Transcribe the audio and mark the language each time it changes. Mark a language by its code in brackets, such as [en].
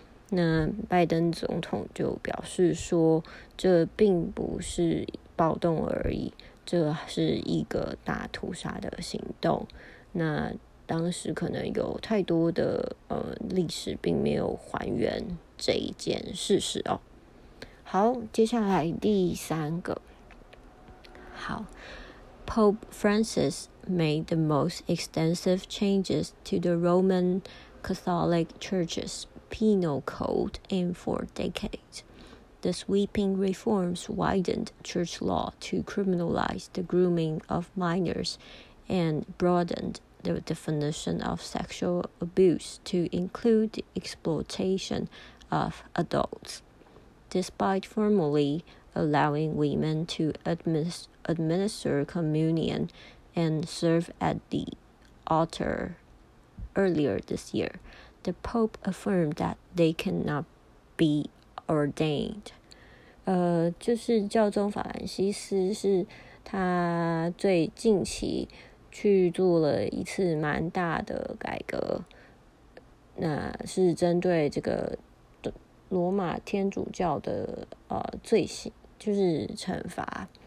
[zh] 那拜登总统就表示说，这并不是暴动而已，这是一个大屠杀的行动。那当时可能有太多的历史并没有还原这一件事实哦。好，接下来第三个。 [en] 好 ，Pope Francis made the most extensive changes to the Roman Catholic Church's Penal Code in 4 decades. The sweeping reforms widened church law to criminalize the grooming of minors and broadened the definition of sexual abuse to include the exploitation of adults. Despite formally allowing women to administer communion and serve at the altar earlier this year, the Pope affirmed that they cannot be ordained. [zh] 就是教宗法兰西斯是他最近期去做了一次蛮大的改革，那是针对这个罗马天主教的罪行，就是惩罚。